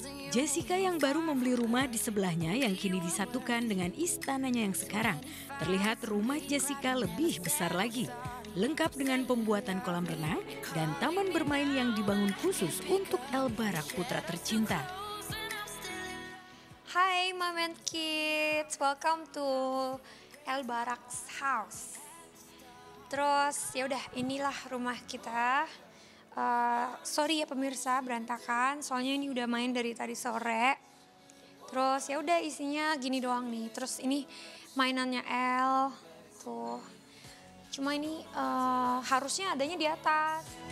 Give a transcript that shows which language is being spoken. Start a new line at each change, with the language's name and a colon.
Indonesian: Jessica yang baru membeli rumah di sebelahnya yang kini disatukan dengan istananya yang sekarang. Terlihat rumah Jessica lebih besar lagi. Lengkap dengan pembuatan kolam renang dan taman bermain yang dibangun khusus untuk El Barak putra tercinta.
English: Hai Mom and Kids, welcome to El Barak's house.
Indonesian: Terus ya udah inilah rumah kita. Sorry ya pemirsa berantakan, soalnya ini udah main dari tadi sore. Terus ya udah isinya gini doang nih. Terus ini mainannya El tuh. Cuma ini harusnya adanya di atas.